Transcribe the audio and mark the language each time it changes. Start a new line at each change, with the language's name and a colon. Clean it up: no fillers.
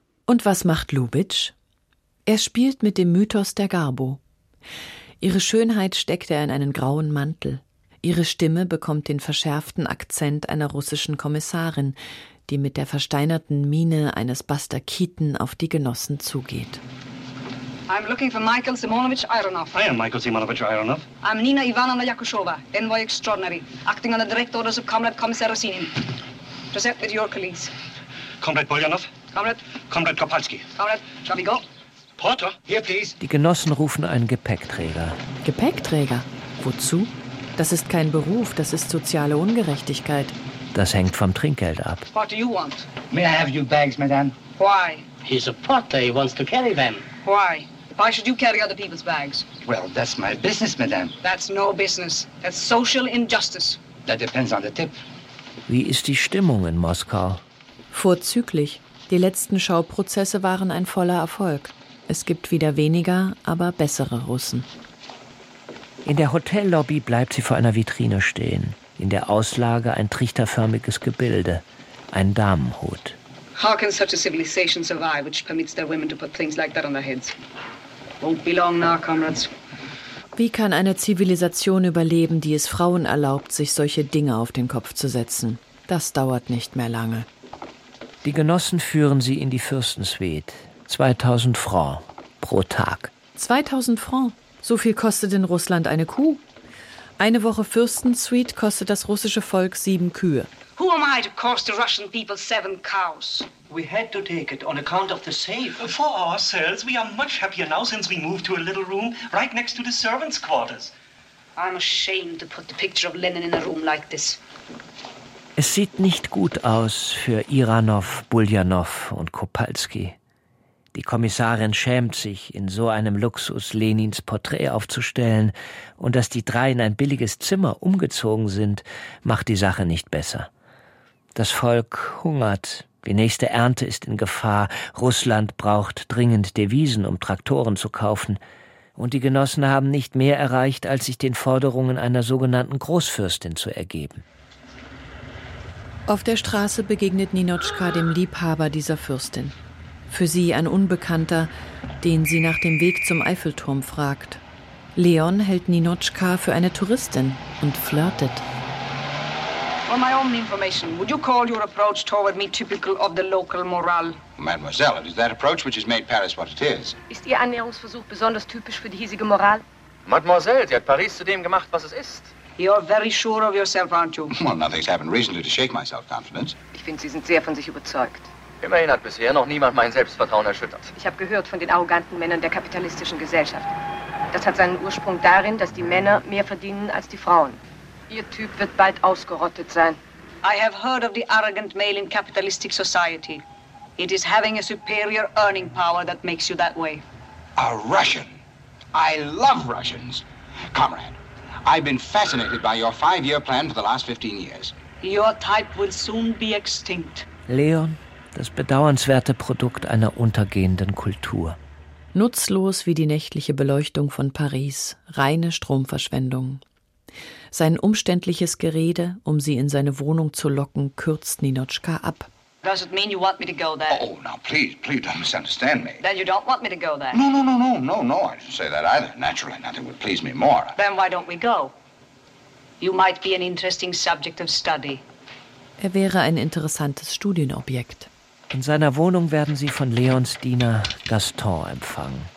German: Und was macht Lubitsch? Er spielt mit dem Mythos der Garbo. Ihre Schönheit steckt er in einen grauen Mantel. Ihre Stimme bekommt den verschärften Akzent einer russischen Kommissarin, die mit der versteinerten Miene eines Bastakiten auf die Genossen zugeht.
English: I'm looking for Michael Simonovich Ironov. I am Michael Simonovich Ironov. I'm Nina Ivanovna Yakushova, envoy extraordinary, acting on the direct orders of Comrade Commissar Rosinin. Present with your colleagues. Comrade Buljanov. Comrade. Comrade Kopalski. Comrade, shall we go? Porter, here please.
German: Die Genossen rufen einen Gepäckträger. Gepäckträger? Wozu? Das ist kein Beruf, das ist soziale Ungerechtigkeit. Das hängt vom Trinkgeld ab.
English: What do you want? May I have your bags, madame? Why? He's a porter, he wants to carry them. Why? Why should you carry other people's bags? Well, that's my business, madame. That's no business. That's social injustice. That depends on the tip.
German: Wie ist die Stimmung in Moskau? Vorzüglich. Die letzten Schauprozesse waren ein voller Erfolg. Es gibt wieder weniger, aber bessere Russen. In der Hotellobby bleibt sie vor einer Vitrine stehen. In der Auslage ein trichterförmiges Gebilde, ein Damenhut.
English: How can such a civilization survive, which permits their women to put things like that on their heads? Won't be long now, comrades.
German: Wie kann eine Zivilisation überleben, die es Frauen erlaubt, sich solche Dinge auf den Kopf zu setzen? Das dauert nicht mehr lange. Die Genossen führen sie in die Fürstensuite. 2000 Franc pro Tag. 2000 Franc? So viel kostet in Russland eine Kuh. Eine Woche Fürstensuite kostet das russische Volk 7 Kühe.
English: Who am I to cost the Russian people 7 cows? We had to take it on account of the safe. For ourselves, we are much happier now since we moved to a little room right next to the servants' quarters. I'm ashamed to put the picture of Lenin in a room like this.
German: Es sieht nicht gut aus für Iranov, Buljanov und Kopalski. Die Kommissarin schämt sich, in so einem Luxus Lenins Porträt aufzustellen. Und dass die drei in ein billiges Zimmer umgezogen sind, macht die Sache nicht besser. Das Volk hungert. Die nächste Ernte ist in Gefahr. Russland braucht dringend Devisen, um Traktoren zu kaufen. Und die Genossen haben nicht mehr erreicht, als sich den Forderungen einer sogenannten Großfürstin zu ergeben. Auf der Straße begegnet Ninotschka dem Liebhaber dieser Fürstin. Für sie ein Unbekannter, den sie nach dem Weg zum Eiffelturm fragt. Leon hält Ninotschka für eine Touristin und flirtet.
English: For my own information, would you call your approach toward me typical of the local morale? Mademoiselle, it is that approach which has made Paris what it is.
German: Ist Ihr Annäherungsversuch besonders typisch für die hiesige Moral? Mademoiselle, sie hat Paris zu dem gemacht, was es ist.
English: You're very sure of yourself, aren't you? Well, nothing's happened recently to shake my self-confidence.
German: Ich finde, Sie sind sehr von sich überzeugt. Immerhin hat bisher noch niemand mein Selbstvertrauen erschüttert. Ich habe gehört von den arroganten Männern der kapitalistischen Gesellschaft. Das hat seinen Ursprung darin, dass die Männer mehr verdienen als die Frauen. Ihr Typ wird bald ausgerottet sein.
English: I have heard of the arrogant male in capitalistic society. It is having a superior earning power that makes you that way. A Russian. I love Russians. Comrade, I've been fascinated by your five-year plan for the last 15 years. Your type will soon be extinct.
German: Leon, das bedauernswerte Produkt einer untergehenden Kultur. Nutzlos wie die nächtliche Beleuchtung von Paris, reine Stromverschwendung. Sein umständliches Gerede, um sie in seine Wohnung zu locken, kürzt Ninotchka ab.
English: Does it mean you want me to go there? Oh, now please don't misunderstand me. Then you don't want me to go there? No, I didn't say that either. Naturally, nothing would please me more. Then why don't we go? You might be an interesting subject of study.
German: Er wäre ein interessantes Studienobjekt. In seiner Wohnung werden sie von Leons Diener Gaston empfangen.